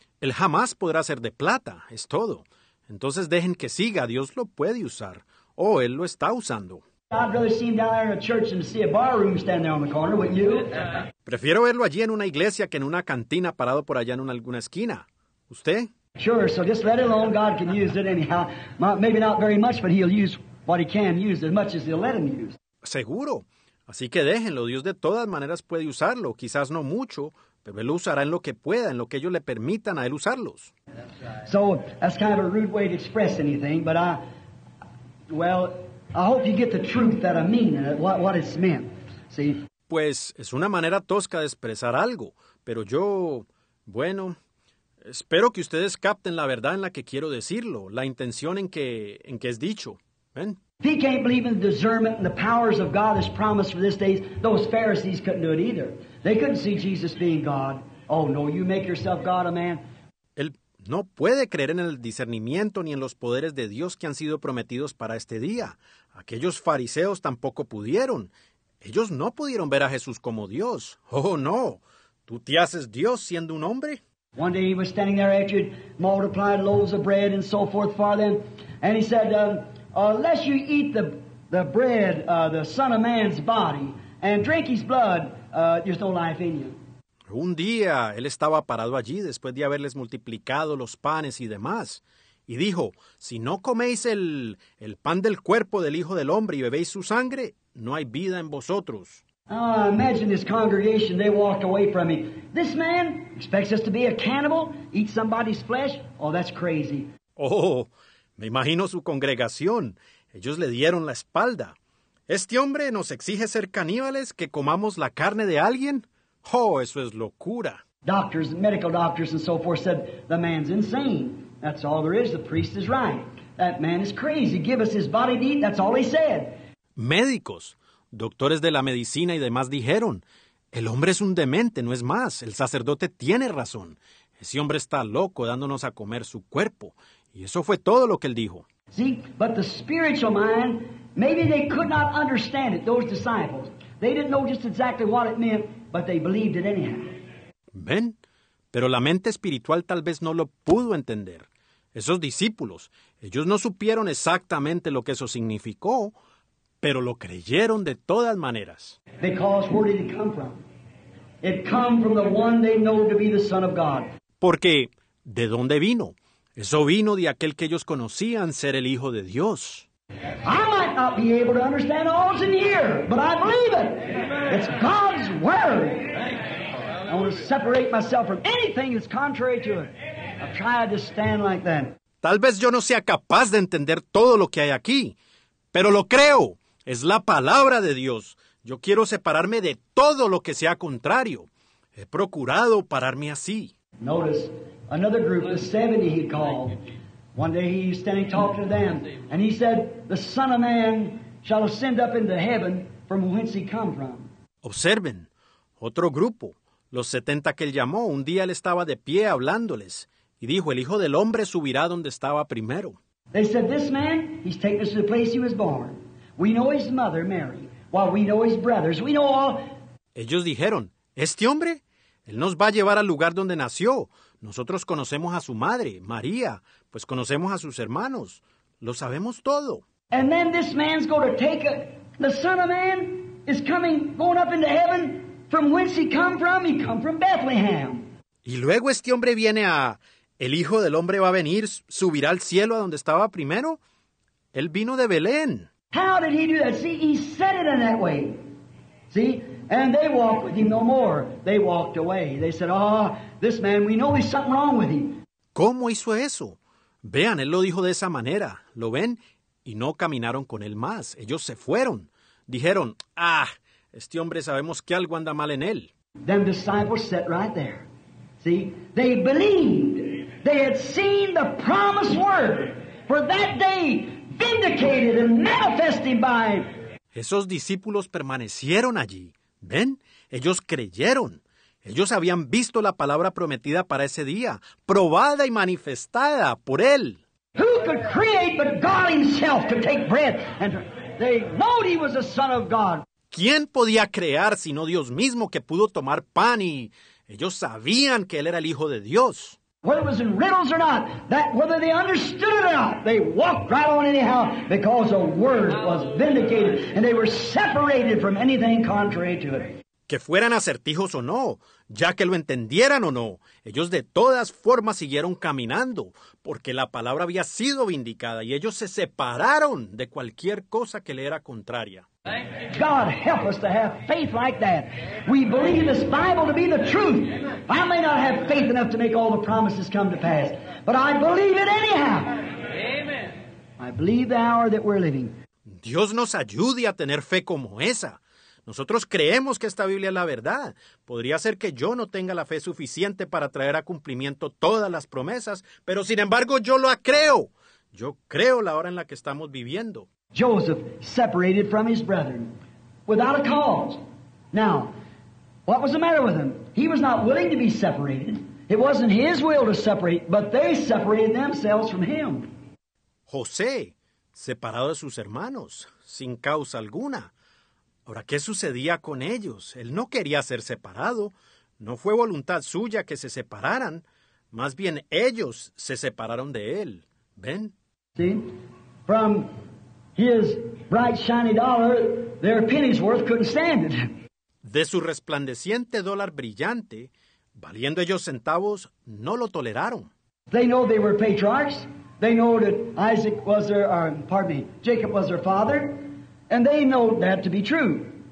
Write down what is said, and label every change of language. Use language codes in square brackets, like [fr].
[es] Él jamás podrá ser de plata, es todo. Entonces dejen que siga, Dios lo puede usar. Oh, él lo está usando. [en] I'd rather see him down there in a church than see a bar room stand there on the corner, wouldn't you? [es] Prefiero verlo allí en una iglesia que en una cantina parado por allá en alguna esquina. ¿Usted? [en] Sure, so just let it alone. God can use it anyhow. Maybe not very much, but he'll use what he can use as much as he'll let him use. [es] Seguro. Así que déjenlo. Dios de todas maneras puede usarlo. Quizás no mucho, pero él lo usará en lo que pueda, en lo que ellos le permitan a él usarlos. [en] So that's kind of a rude way to express anything, but I hope you get the truth that I mean, what it's meant. See? [es] Pues es una manera tosca de expresar algo, pero yo, bueno, espero que ustedes capten la verdad en la que quiero decirlo, la intención en que es dicho. ¿Ven? [en] If he can't believe in the discernment and the powers of God as promised for this day, those Pharisees couldn't do it either. They couldn't see Jesus being God. Oh, no, you make yourself God a man. [es] Él no puede creer en el discernimiento ni en los poderes de Dios que han sido prometidos para este día. Aquellos fariseos tampoco pudieron. Ellos no pudieron ver a Jesús como Dios. Oh, no, tú te haces Dios siendo un hombre. [en] One day he was standing there after he multiplied loaves of bread and so forth for them. And he said, unless you eat the bread, the Son of Man's body, and drink his blood, there's no life in you. [es] Un día, él estaba parado allí después de haberles multiplicado los panes y demás. Y dijo, si no coméis el pan del cuerpo del Hijo del Hombre y bebéis su sangre, no hay vida en vosotros. [en] Oh, imagine this congregation, they walked away from me. This man expects us to be a cannibal, eat somebody's flesh? Oh, that's crazy. [es] Oh, me imagino su congregación. Ellos le dieron la espalda. ¿Este hombre nos exige ser caníbales, que comamos la carne de alguien? Oh, eso es locura. [en] Doctors, medical doctors and so forth said, the man's insane. That's all there is. The priest is right. That man is crazy. Give us his body to eat. That's all he said. [es] Médicos, doctores de la medicina y demás dijeron, el hombre es un demente, no es más. El sacerdote tiene razón. Ese hombre está loco dándonos a comer su cuerpo. Y eso fue todo lo que él dijo. [en] See, but the spiritual mind, maybe they could not understand it, those disciples. They didn't know just exactly what it meant, but they believed it anyhow. [es] Ven, pero la mente espiritual tal vez no lo pudo entender. Esos discípulos, ellos no supieron exactamente lo que eso significó, pero lo creyeron de todas maneras. [en] Because where did it come from? It come from the one they know to be the Son of God. [es] Porque, ¿de dónde vino? Eso vino de aquel que ellos conocían ser el Hijo de Dios. [en] I might not be able to understand all that's in here, but I believe it. It's God's Word. I want to separate myself from anything that's contrary to it. I've tried to stand like that. [es] Tal vez yo no sea capaz de entender todo lo que hay aquí, pero lo creo. Es la palabra de Dios. Yo quiero separarme de todo lo que sea contrario. He procurado pararme así. [en] Notice another group, the 70 he called. One day he was standing talking to them, and he said, "The Son of Man shall ascend up into heaven from whence he come from." [es] Observen, otro grupo, los 70 que él llamó, un día él estaba de pie hablándoles, y dijo, "El Hijo del Hombre subirá donde estaba primero." [en] They said, "This man, he's taken us to the place he was born. We know his mother, Mary. Well, we know his brothers. We know all." [es] Ellos dijeron, "Este hombre, él nos va a llevar al lugar donde nació. Nosotros conocemos a su madre, María, pues conocemos a sus hermanos. Lo sabemos todo." [en] And then this man's going to take a, the Son of Man is coming, going up into heaven. From whence he come from? He come from Bethlehem. [es] Y luego este hombre viene a, el Hijo del Hombre va a venir, subirá al cielo a donde estaba primero. Él vino de Belén. [en] How did he do that? See, he said it in that way. See, and they walked with him no more. They walked away. They said, "Oh, this man, we know there's something wrong with him." [es] ¿Cómo hizo eso? Vean, él lo dijo de esa manera. ¿Lo ven? Y no caminaron con él más. Ellos se fueron. Dijeron, "Ah, este hombre sabemos que algo anda mal en él." [en] Them disciples sat right there. See, they believed. They had seen the promised word for that day. Vindicated and manifested by him. [es] Esos discípulos permanecieron allí. ¿Ven? Ellos creyeron. Ellos habían visto la palabra prometida para ese día, probada y manifestada por él. [en] Who could create but God himself to take breath? And they knew he was the Son of God. [es] ¿Quién podía crear sino Dios mismo que pudo tomar pan y ellos sabían que él era el Hijo de Dios? [en] Whether it was in riddles or not, that whether they understood it or not, they walked right on anyhow because the word was vindicated and they were separated from anything contrary to it. [es] Que fueran acertijos o no, ya que lo entendieran o no, ellos de todas formas siguieron caminando porque la palabra había sido vindicada y ellos se separaron de cualquier cosa que le era contraria. [en] God help us to have faith like that. We believe this Bible to be the truth. I may not have faith enough to make all the promises come to pass, but I believe it anyhow. Amen. I believe the hour that we're living. [es] Dios nos ayude a tener fe como esa. Nosotros creemos que esta Biblia es la verdad. Podría ser que yo no tenga la fe suficiente para traer a cumplimiento todas las promesas, pero sin embargo yo lo creo. Yo creo la hora en la que estamos viviendo. [en] Joseph separated from his brethren without a cause. Now, what was the matter with him? He was not willing to be separated. It wasn't his will to separate, but they separated themselves from him. [es] José, separado de sus hermanos, sin causa alguna. Ahora, ¿qué sucedía con ellos? Él no quería ser separado. No fue voluntad suya que se separaran. Más bien, ellos se separaron de él. ¿Ven? Sí. [en] From his bright, shiny dollar, their penny's worth couldn't stand it. [es] De su resplandeciente dólar brillante, valiendo ellos centavos, no lo toleraron. [en] They know they were patriarchs. They know that Isaac was their, Jacob was their father. And they know that to be true.